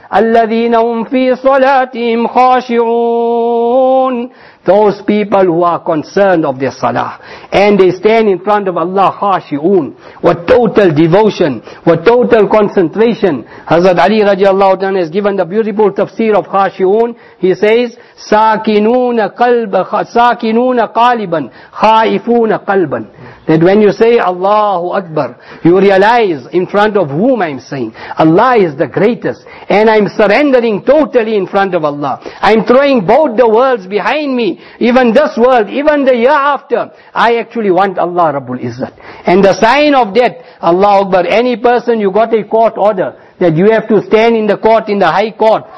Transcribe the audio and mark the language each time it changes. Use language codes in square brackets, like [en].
[ar] الَّذِينَ هُمْ فِي صَلَاتِهِمْ خَاشِعُونَ. [en] Those people who are concerned of their salah. And they stand in front of Allah خَاشِعُونَ. What total devotion, what total concentration. Hazrat Ali radiallahu ta'ala has given the beautiful tafsir of خَاشِعُونَ. He says, [ar] سَاكِنُونَ قَلْبَ سَاكِنُونَ قَالِبًا خَائِفُونَ قَلْبًا. [en] That when you say Allahu Akbar, you realize in front of whom I'm saying. Allah is the greatest. And I'm surrendering totally in front of Allah. I'm throwing both the worlds behind me. Even this world, even the year after. I actually want Allah Rabbul Izzat. And the sign of that, Allahu Akbar, any person you got a court order, that you have to stand in the court, in the high court.